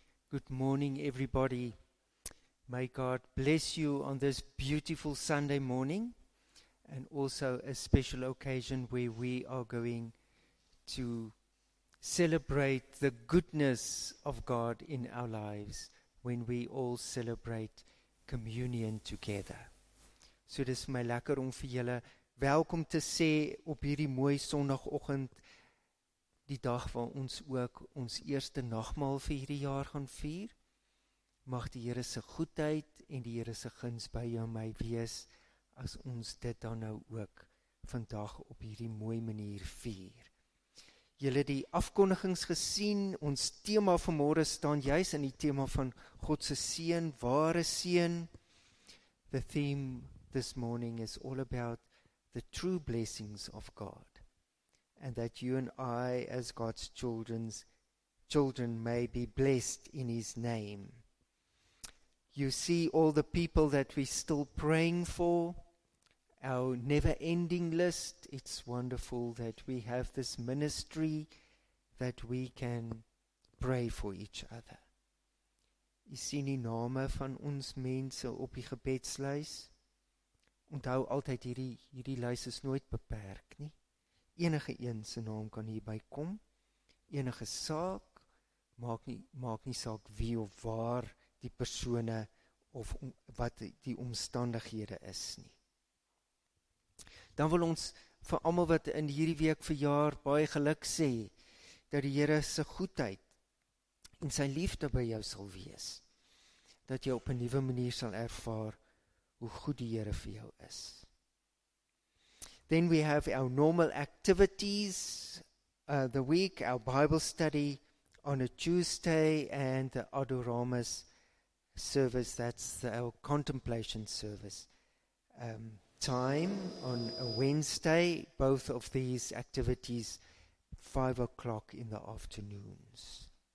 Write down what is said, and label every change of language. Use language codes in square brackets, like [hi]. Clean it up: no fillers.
[en] Good morning, everybody. May God bless you on this beautiful Sunday morning and also a special occasion where we are going to celebrate the goodness of God in our lives when we all celebrate communion together. [af] So dis my lekker om vir julle welkom te sê op hierdie mooi sonoggend, die dag waar ons ook ons eerste nagmaal vir hierdie jaar gaan vier. Mag die Here se goedheid en die Here se guns by jou en my wees as ons dit dan nou ook vandag op hierdie mooi manier vier. Julle die afkondigings gesien, ons tema vanmôre staan juis in die tema van God se seën, ware seën. [en] The theme this morning is all about the true blessings of God, and that you and I, as God's children, may be blessed in His name. You see all the people that we're still praying for, our never-ending list. It's wonderful that we have this ministry, that we can pray for each other. [af] Jy sien die name van ons mense op die gebedslys. Onthou altyd hierdie lys is nooit beperk nie. Enige een se naam kan hierby kom. Enige saak maak nie saak wie of waar die persone of wat die omstandighede is nie. Dan wil ons vir almal wat in hierdie week verjaar baie geluk sê dat die Here se goedheid en sy liefde by jou sal wees. Dat jy op 'n nuwe manier sal ervaar hoe goed die Here vir jou is. [en] Then we have our normal activities, the week, our Bible study on a Tuesday, and the Adoramus service, that's our contemplation service, time on a Wednesday, both of these activities, 5:00 in the afternoons.